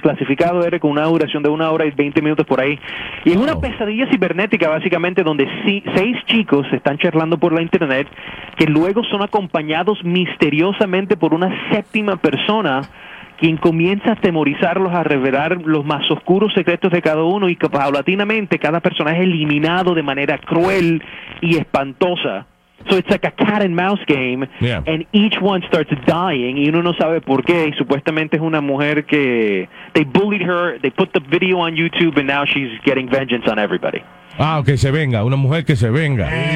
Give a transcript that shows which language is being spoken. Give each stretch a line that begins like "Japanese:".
Spanish: Clasificado R con una duración de una hora y 20 minutos por ahí. Y es una pesadilla cibernética, básicamente, donde seis chicos están charlando por la internet que luego son acompañados misteriosamente por una séptima persona quien comienza a atemorizarlos, a revelar los más oscuros secretos de cada uno y que paulatinamente cada personaje es eliminado de manera cruel y espantosa.
English: So it's like a cat and mouse game, yeah. And each one starts dying,
Spanish: y uno no sabe por qué, y supuestamente es una mujer que...
English: They bullied her, they put the video on YouTube, and now she's getting vengeance on everybody.
Spanish: Ah, que se venga, una mujer que se venga.